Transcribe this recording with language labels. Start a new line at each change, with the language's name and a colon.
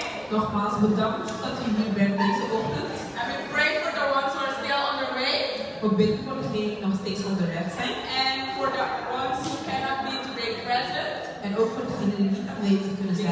Dutch: Nogmaals bedankt dat u hier bent deze ochtend.
English: And we pray for the ones who are still on the way.
Dutch: We bidden voor degenen die nog steeds onderweg zijn.
English: And for the ones who cannot be today present.
Dutch: En ook voor degenen die niet aanwezig kunnen zijn.